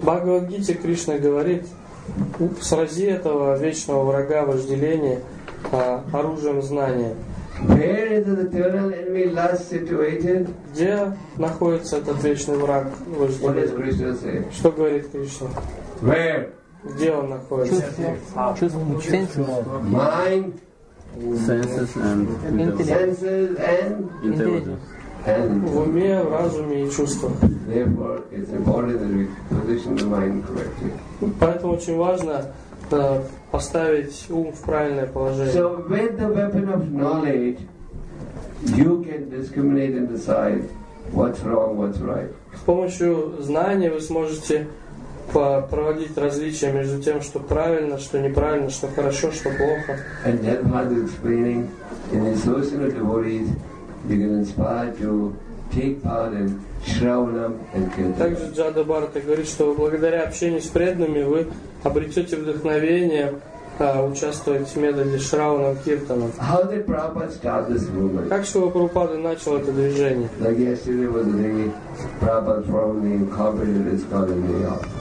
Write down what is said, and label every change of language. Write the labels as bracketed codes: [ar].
[ru] Бхагавад-гите Кришна говорит: «Срази этого вечного врага вожделения оружием знания». [en] Where is the eternal enemy lust situated? [ru] Где находится этот вечный враг вожделения? [en] What does Krishna say? [ru] Что говорит Кришна? [en] Where? [ru] Где он находится? [en] Mind, senses and intelligence. And [ru] в уме, в разуме и чувствах. [en] Therefore, it's important that we position the mind correctly. [ru] Поэтому очень важно поставить ум в правильное положение. [en] So with the weapon of knowledge, you can discriminate and decide what's wrong, what's right. [ru] С помощью знания вы сможете проводить различия между тем, что правильно, что неправильно, что хорошо, что плохо. [en] And then Prabhupada is explaining in the association of devotees. You can inspire to take part in shravanam and kirtanam. [ru] Также Джада Бхарата говорит, что благодаря общению с преданными вы обретете вдохновение участвовать в методе шравнам киртанам. [en] How did Prabhupada start this movement? [ru] Как же Прабхупада начал это движение? [en] Like yesterday was the day Prabhupada formally incorporated ISKCON in New York.